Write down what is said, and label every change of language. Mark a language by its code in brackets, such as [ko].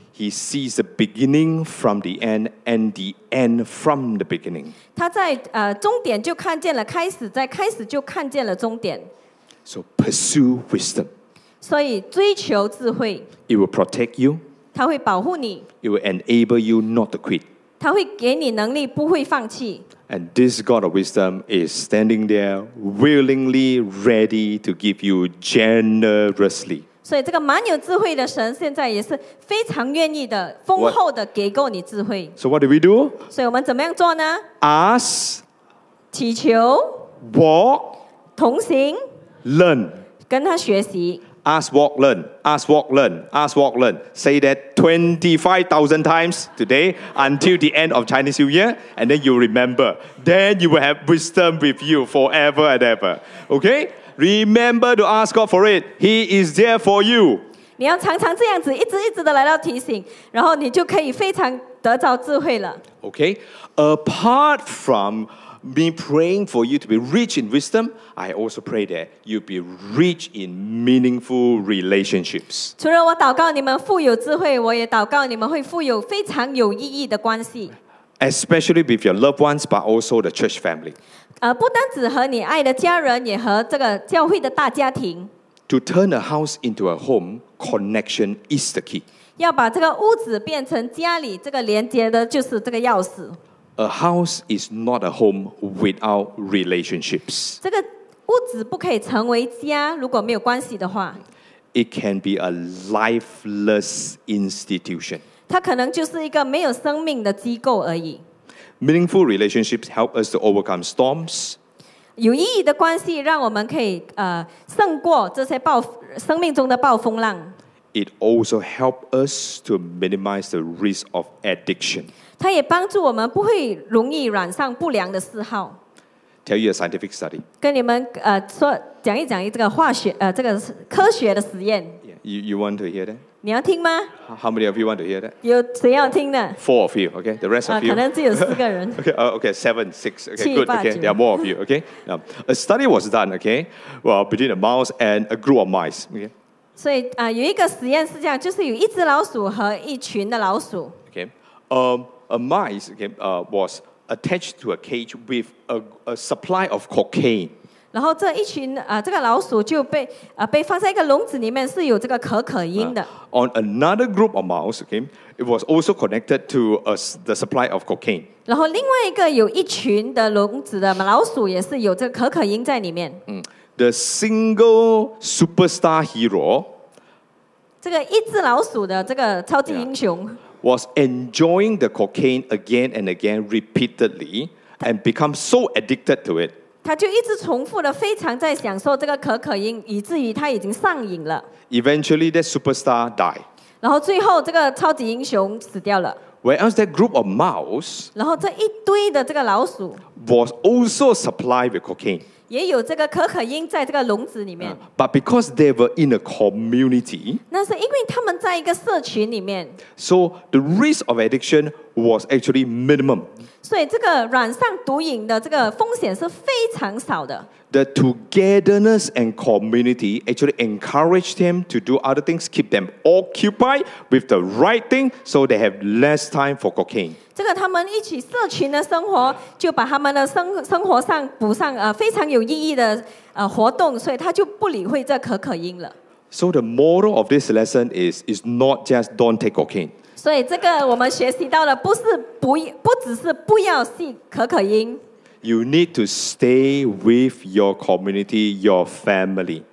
[en] He sees the beginning from the end and the end from the beginning. [zh] 他在终点就看见了开始，在开始就看见了终点。 [en] So pursue wisdom. [zh] 所以追求智慧。 [en] It will protect you. [zh] 他会保护你。 [en] It will enable you not to quit. [zh] 他会给你能力，不会放弃。 [en] And this God of wisdom is standing there willingly ready to give you generously. [zh] 所以这个满有智慧的神现在也是非常愿意的丰厚的给够你智慧。 [en] So what do we do? [zh] 所以我们怎么样做呢? [en] Ask. [zh] 祈求。 [en] Walk. [zh] 同行。 [en] Learn. [zh] 跟他学习。 [en] Ask, walk, learn. Ask, walk, learn. Ask, walk, learn. Say that 25,000 times today until the end of Chinese New Year and then you remember. Then you will have wisdom with you forever and ever. Okay? Remember to ask God for it. He is there for you. [zh] 你要常常这样子，一直一直的来到提醒，然后你就可以非常得着智慧了。 [en] Okay. Apart from me praying for you to be rich in wisdom, I also pray that you be rich in meaningful relationships. [zh] 除了我祷告你们富有智慧，我也祷告你们会富有非常有意义的关系。 [en] Especially with your loved ones, but also the church family. [zh] 不单只和你爱的家人，也和这个教会的大家庭。 [en] To turn a house into a home, connection is the key. [zh] 要把这个屋子变成家里，这个连接的就是这个钥匙。 [en] A house is not a home without relationships. [zh] 这个屋子不可以成为家，如果没有关系的话。 [en] It can be a lifeless institution. [zh] 它可能就是一个没有生命的机构而已。 [en] Meaningful relationships help us to overcome storms. [zh] 有意义的关系让我们可以胜过这些生命中的暴风浪。 [en] It also helps us to minimize the risk of addiction. [zh] 它也帮助我们不会容易染上不良的嗜好。 [en] Tell you a scientific study. [zh] 跟你们说讲一讲这个化学这个科学的实验。 [en] You want to hear that? [zh] 你要听吗？ [en] How many of you want to hear that? [zh] 有谁要听的？ [en] Four of you, okay? The rest of you. [zh] 可能只有四个人。 [en] okay, seven, six. Okay, good. Okay, there are more of you. Okay. Now, a study was done. Okay, well, between a mouse and a group of mice. Okay. [zh] 所以啊，有一个实验是这样，就是有一只老鼠和一群的老鼠。 [en] Okay, a mice okay, was attached to a cage with a supply of cocaine. [zh] 然后这一群这个老鼠就被放在一个笼子里面，是有这个可可因的。 [en] On another group of mice, okay, it was also connected to the supply of cocaine. [zh] 然后另外一个有一群的笼子的老鼠也是有这个可可因在里面。 [en] The single superstar hero, [zh] 这个一只老鼠的这个超级英雄 [en] was enjoying the cocaine again and again repeatedly and become so addicted to it. [zh] 他就一直重复的非常在享受这个可可因，以至于他已经上瘾了。 [en] Eventually, that superstar died. [zh] 然后最后这个超级英雄死掉了。 [en] Whereas that group of mouse, [zh] 然后这一堆的这个老鼠 [en] was also supplied with cocaine. [zh] 也有这个可可因在这个笼子里面。 [en] But because they were in a community, [zh] 那是因为他们在一个社群里面。 [en] So the risk of addiction was actually minimum. [zh] 所以这个染上毒瘾的这个风险是非常少的。 [en] The togetherness and community actually encouraged them to do other things, keep them occupied with the right thing, so they have less time for cocaine. [zh] 这个他们一起社群的生活，就把他们的生活上补上非常有意义的活动，所以他就不理会这可可因了。 [en] So the moral of this lesson is not just don't take cocaine. [zh] 所以这个我们学习到了，不只是不要吸可可因。 [en] You need to stay with your community, your family.